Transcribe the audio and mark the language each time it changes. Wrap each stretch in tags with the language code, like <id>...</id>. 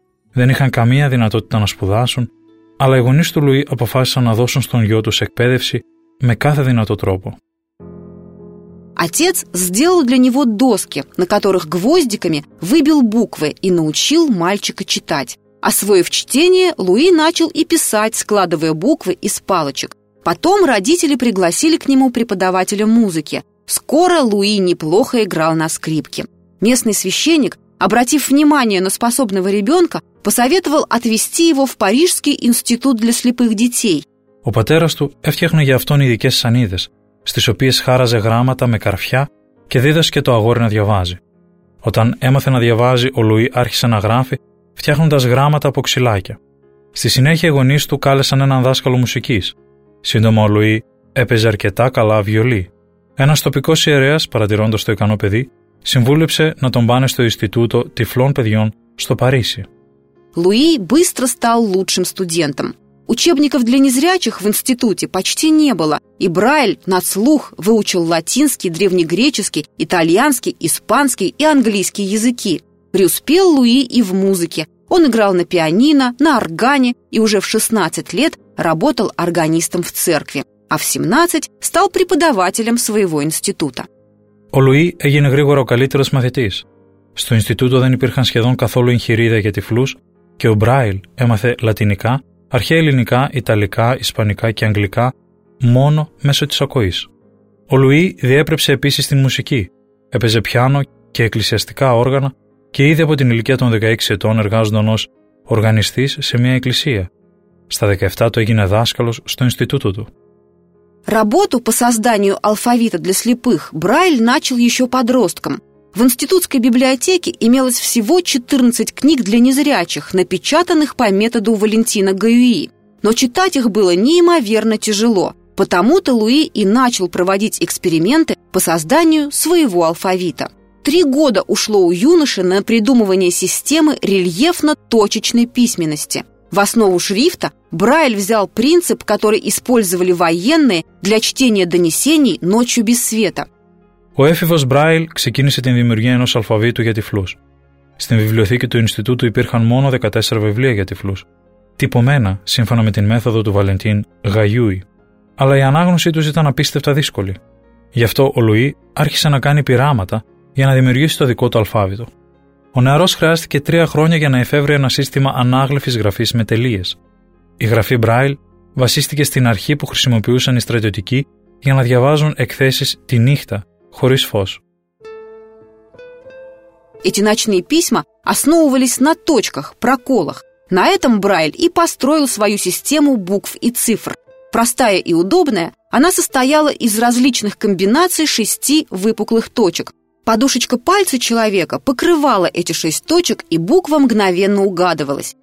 <el>Δεν είχαν καμία δυνατότητα να σπουδάσουν, αλλά οι γονείς του Λουί αποφάσισαν να δώσουν στον γιο τους εκπαίδευση με κάθε δυνατό τρόπο.</el> <ru>Отец сделал для него доски, на которых гвоздиками выбил буквы и научил мальчика читать. Освоив чтение, Луи начал и писать, складывая буквы из палочек. Потом родители пригласили к нему преподавателя музыки. Скоро Луи неплохо играл на скрипке. Местный священник, обратив внимание на способного ребенка, посоветовал отвезти его в Парижский институт для слепых детей.</ru> <el>У патерас ту эфтехне για αυτόν ειδικές σανίδες, στις οποίες χάραζε γράμματα με καρφιά και δίδασκε το αγόρι να διαβάζει. Όταν έμαθε να διαβάζει, ο Λουί άρχισε να γράφει, φτιάχνοντας γράμματα από ξυλάκια. Στη συνέχεια οι γονείς του κάλεσαν έναν δάσκαλο μουσικής. Σύντομα ο Λουί έπαιζε αρκετά καλά βιολί. Ένας τοπικός ιερέας, παρατηρώντας το ικανό παιδί, συμβούλεψε να τον πάνε στο Ινστιτούτο Τυφλών Παιδιών στο Παρίσι.</el> <ru>Λουί быстро стал лучшим студентом. Учебников для незрячих в институте почти не было, и Брайль на слух выучил латинский, древнегреческий, итальянский, испанский и английский языки. Преуспел Луи и в музыке. Он играл на пианино, на органе и уже в 16 лет работал органистом в церкви, а в 17 стал преподавателем своего института.</ru> <el>Ο Луи έγινε γρήγορα ο καλύτερος μαθητής. Στο Ινστιτούτο δεν υπήρχαν σχεδόν καθόλου εγχειρίδια για τυφλούς και ο Μπράιλ έμαθε λατινικά, αρχαία ελληνικά, ιταλικά, ισπανικά και αγγλικά μόνο μέσω της ακοής. Ο Λουί διέπρεψε επίσης την μουσική, έπαιζε πιάνο και εκκλησιαστικά όργανα και ήδη από την ηλικία των 16 ετών εργάζονταν ως οργανιστής σε μια εκκλησία. Στα 17 του έγινε δάσκαλος στο Ινστιτούτο του.</el> <ru>Работу по созданию алфавита для слепых Брайль начал еще подростком. В институтской библиотеке имелось всего 14 книг для незрячих, напечатанных по методу Валентина Гаюи. Но читать их было неимоверно тяжело. Потому-то Луи и начал проводить эксперименты по созданию своего алфавита. 3 года ушло у юноши на придумывание системы рельефно-точечной письменности. В основу шрифта Брайль взял принцип, который использовали военные для чтения донесений ночью без света.</ru> <el>Ο έφηβος Μπράιλ ξεκίνησε την δημιουργία ενός αλφαβήτου για τυφλούς. Στην βιβλιοθήκη του Ινστιτούτου υπήρχαν μόνο 14 βιβλία για τυφλούς, τυπωμένα σύμφωνα με την μέθοδο του Βαλεντίν Γαγιούι. Αλλά η ανάγνωσή τους ήταν απίστευτα δύσκολη. Γι' αυτό ο Λουί άρχισε να κάνει πειράματα για να δημιουργήσει το δικό του αλφάβητο. Ο νεαρός χρειάστηκε 3 χρόνια για να εφεύρει ένα σύστημα ανάγλυφης γραφής με τελείες. Η γραφή Μπράιλ βασίστηκε στην αρχή που χρησιμοποιούσαν οι στρατιωτικοί για να διαβάζουν εκθέσεις τη νύχτα, χωρίς φως.</el> <ru>Эти ночные письма основывались на точках, проколах. На этом Брайль и построил свою систему букв и цифр. Простая и удобная, она состояла из различных комбинаций шести выпуклых точек. Подушечка пальца человека покрывала эти шесть точек, и буква мгновенно угадывалась.</ru>